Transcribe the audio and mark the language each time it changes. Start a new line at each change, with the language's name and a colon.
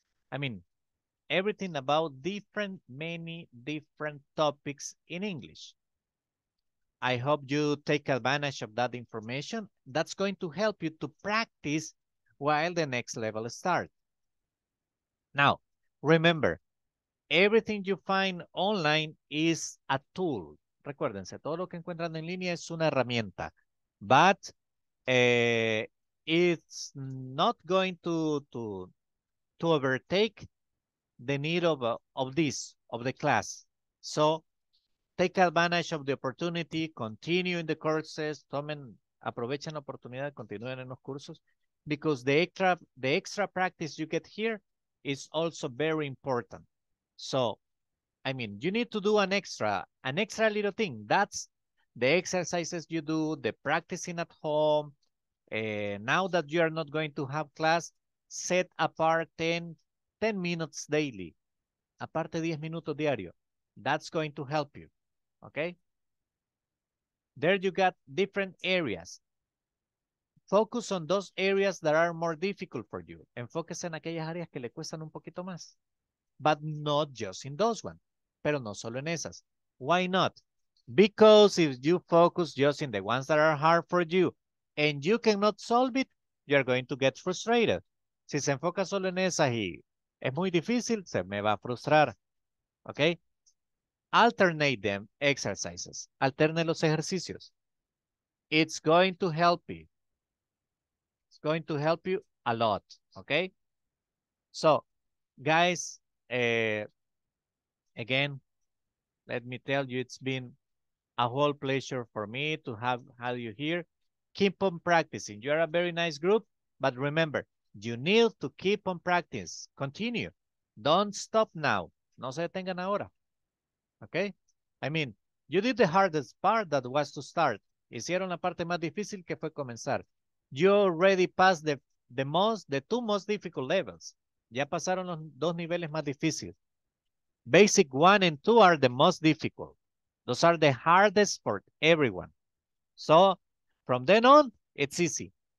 English: I mean, everything about different, many different topics in English. I hope you take advantage of that information. That's going to help you to practice while the next level starts. Now, remember, everything you find online is a tool.
Spanish: Recuérdense, todo lo que encuentran en línea es una herramienta.
English: But it's not going to overtake the need of the class. So take advantage of the opportunity, continue in the courses,
Spanish: tomen, aprovechen la oportunidad, continúen en los cursos,
English: because the extra practice you get here is also very important. So, I mean, you need to do an extra little thing. That's the exercises you do, the practicing at home. Now that you are not going to have class, set apart 10 minutes daily.
Spanish: Aparte 10 minutos diario.
English: That's going to help you. Okay? There you got different areas. Focus on those areas that are more difficult for you.
Spanish: Enfóquese en aquellas áreas que le cuestan un poquito más.
English: But not just in those ones.
Spanish: Pero no solo en esas.
English: Why not? Because if you focus just in the ones that are hard for you and you cannot solve it, you're going to get frustrated.
Spanish: Si se enfoca solo en esas y es muy difícil, se me va a frustrar.
English: Okay? Alternate them exercises.
Spanish: Alterne los ejercicios.
English: It's going to help you. It's going to help you a lot. Okay? So, guys, again, let me tell you, it's been a whole pleasure for me to have you here. Keep on practicing. You are a very nice group, but remember, you need to keep on practicing. Continue. Don't stop now.
Spanish: No se detengan ahora.
English: Okay? I mean, you did the hardest part that was to start.
Spanish: Hicieron la parte más difícil que fue comenzar.
English: You already passed the two most difficult levels.
Spanish: Ya pasaron los dos niveles más difíciles.
English: Basic one and two are the most difficult. Those are the hardest for everyone. So from then on, it's easy.